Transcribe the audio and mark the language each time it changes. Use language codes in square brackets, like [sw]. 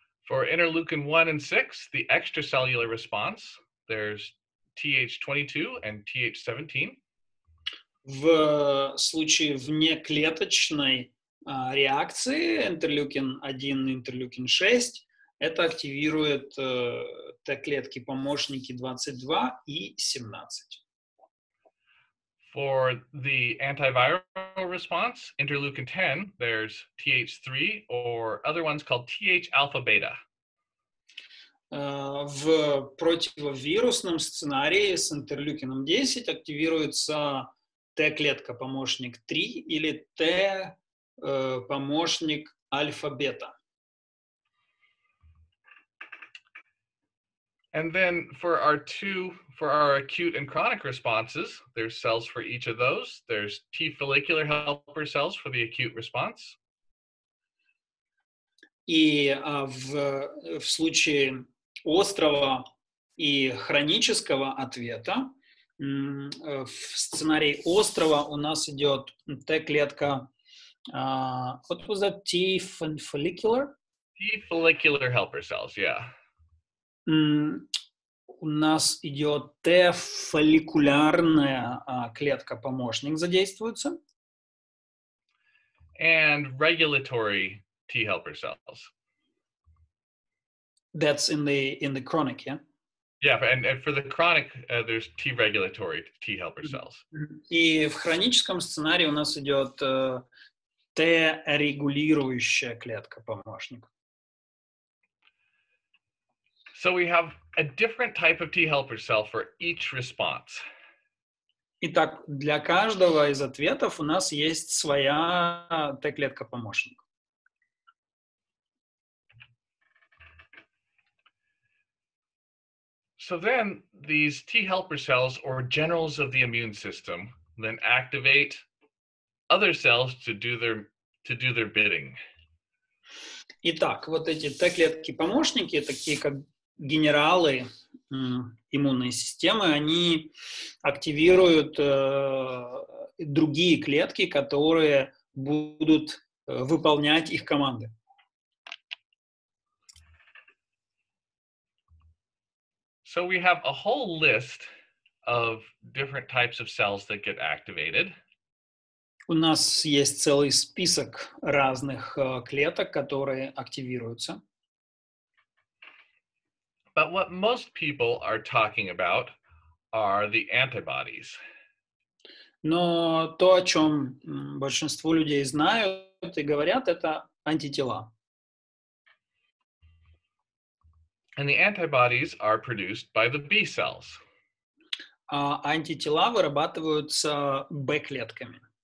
[en] For interleukin 1 and 6, the extracellular response, there's TH22 and TH17. [ru] В случае внеклеточной реакции интерлюкин 1 и интерлюкин 6, это активирует Т-клетки-помощники 22 и 17. [en] For the antiviral response, interleukin 10, there's TH3 or other ones called TH-alpha-beta. [ru] В противовирусном сценарии с интерлюкином 10 активируется Т-клетка-помощник 3 или Т-помощник альфа-бета. [en] And then for our acute and chronic responses, there's cells for each of those. There's T follicular helper cells for the acute response. [ru] И в случае острого и хронического ответа, в сценарии острого у нас идет Т-клетка, [en] what was that, T follicular? T follicular helper cells, yeah. [ru] У нас идет Т-фолликулярная клетка-помощник задействуется. [en] And regulatory T-helper cells. That's in the chronic, yeah? Yeah, and for the chronic, there's T-regulatory T-helper cells. [ru] И в хроническом сценарии у нас идет Т-регулирующая клетка-помощник. [en] So we have a different type of T helper cell for each response. [ru] Итак, для каждого из ответов у нас есть своя Т-клетка-помощник. [en] So then these T helper cells or generals of the immune system then activate other cells to do their bidding. [ru] Итак, вот эти Т-клетки-помощники такие как генералы иммунной системы, они активируют другие клетки, которые будут выполнять их команды. [en] So we have a whole list of different types of cells that get activated. [ru] У нас есть целый список разных клеток, которые активируются. [en] But what most people are talking about are the antibodies. [ru] Но то, о чем большинство людей знают и говорят, это антитела. [en] And the antibodies are produced by the B cells. [ru] Антитела вырабатываются B-клетками.